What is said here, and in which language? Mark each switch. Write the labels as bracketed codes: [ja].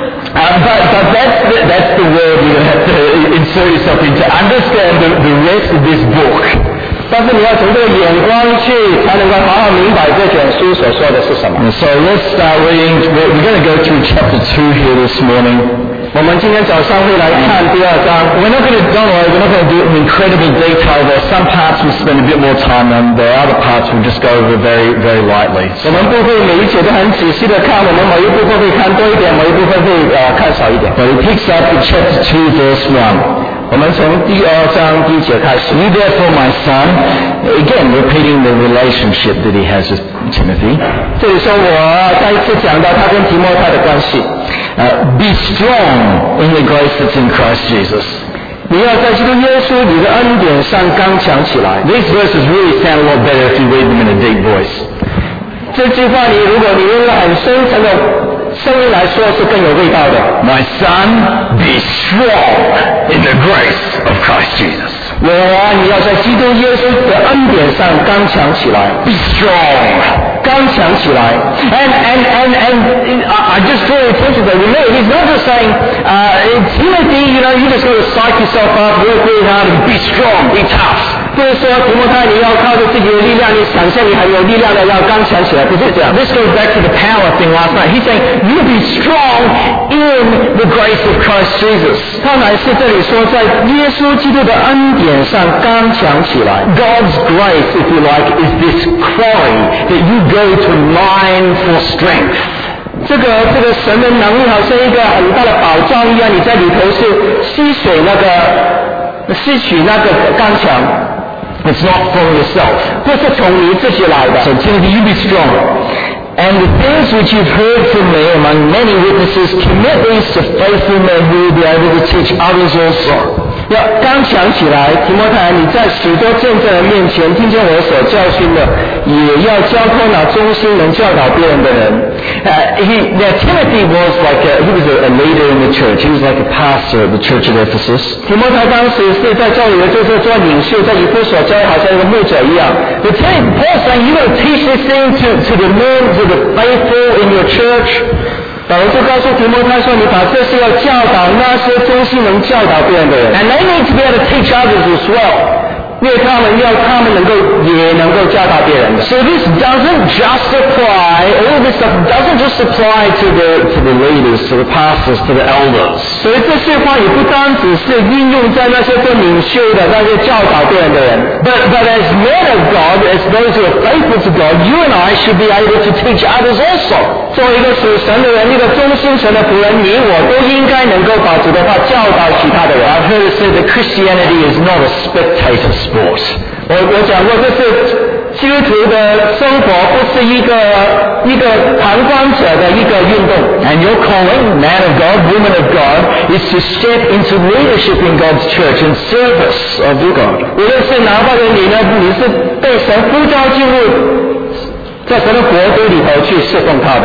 [en] But that's the word you have to insert yourself into. Understand the rest of this book. [zh] 但是你要从这个眼光去，才能够好好明白这卷书所说的是什么。 [en] So let's start reading. We're going to go through chapter 2 here this morning. [zh] 我们今天早上会来看第二章。 [en] We're not going to do an incredible detail. There are some parts we'll spend a bit more time on. There are other parts we'll just go over very, very lightly. [zh] 我们不会每一节都很仔细的看，我们每一部分会看多一点，每一部分会看少一点。 [en] But it picks up in chapter 2, verse 1. [zh] 我们从第二章第一节开始。 [en] You therefore, my son, again repeating the relationship that he has with Timothy. [zh] 这里说我再次讲到他跟提摩太的关系。 [en] Be strong in the grace that's in Christ Jesus. [zh] 你要在基督耶稣你的恩典上刚强起来。 [en] These verses really sound a lot better if you read them in a deep voice. [zh] 这句话你如果你用了很深层的声音来说是更有味道的。 [en] My son, be strong in the grace of Christ Jesus. [zh] 我啊，你要在基督耶稣的恩典上刚强起来。 [en] Be strong, [zh] 刚强起来。 [en] And I just draw attention to that. You know, he's not just saying, Timothy, you know, you just got to psych yourself up, work really hard, and be strong, be tough. [zh] 不是说提摩太你要靠着自己的力量，你想象你很有力量的要刚强起来，不是这样。 [en] This goes back to the power thing last night. He's saying you be strong in the grace of Christ Jesus. [zh] 他乃是这里说在耶稣基督的恩典上刚强起来。 [en] God's grace, if you like, is this quarry that you go to mine for strength. [zh] 这个神的能力好像一个很大的宝藏一样，你在里头是吸水那个。吸取那个刚强 [en] It's not from yourself. [zh] 不是从你自己来的。 [en] So Timothy, you be strong. And the things which you've heard from me among many witnesses, commit these to faithful men who will be able to teach others also. [zh] 要刚强起来，提摩太，你在许多见证人面前听见我所教训的，也要交托那忠心能教导别人的人。 [en] Now Timothy was like he was a leader in the church. He was like a pastor of the church of Ephesus. [zh] 提摩太当时是在教会就是做领袖，在以弗所教好像一个牧者一样。 [en] But Paul saying you got to teach this thing to the men, to the faithful in your church. [zh] 保罗就告诉提摩太说：“你把这事要教导那些忠心能教导别人的人。 [en] ”And they need to be able to teach others as well. [zh] 因为他们要他们能够也能够教导别人的。 [en] So this doesn't just apply. All this stuff doesn't just apply to the leaders, to the pastors, to the elders. [zh] 所以这些话也不单只是应用在那些做领袖的那些教导别人的人。 [en] But as men of God, as those who are faithful to God, you and I should be able to teach others also. [zh] 作为一个属神的人，一个忠心神的仆人，你我都应该能够把主的话教导其他的人。 [en] I've heard it said that Christianity is not a spectator sport. [zh] 我讲过，这是基督徒的生活，不是一个旁观者的一个运动。 [en] And your calling, man of God, woman of God, is to step into leadership in God's church in service of your God. [zh] 无论是哪方面，你是被神呼召进入。在神的国度里头去侍奉他的。